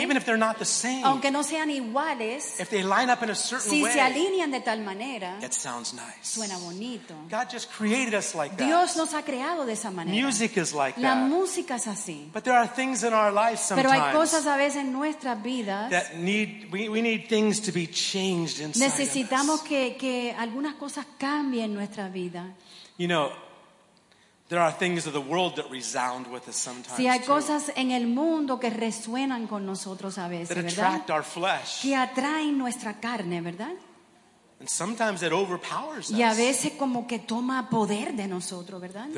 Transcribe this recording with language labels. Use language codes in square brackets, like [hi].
[en] even if they're not the same, [es] aunque no sean iguales, [en] if they line up in a certain [es] si [en] way, [es] se alinean de tal manera, [en] it sounds nice. [es] Suena bonito. [en] God just created us like that. [es] Dios nos ha creado de esa manera. [en] Music is like [es] la [en] that. [es] La música es así. [en] But there are things in our lives. [es] Pero hay cosas a veces en nuestras vidas [en] that we need things to be changed inside. [es] Necesitamos que algunas cosas cambien en nuestra vida. [en] You know, there are things of the world that resound with us sometimes. [es] Sí, hay cosas en el mundo que resuenan con nosotros a veces, ¿verdad? [en] That attract our flesh. [es] Que atraen nuestra carne, ¿verdad? [en] And sometimes it overpowers us. [es] Y a veces como que toma poder de nosotros, ¿verdad?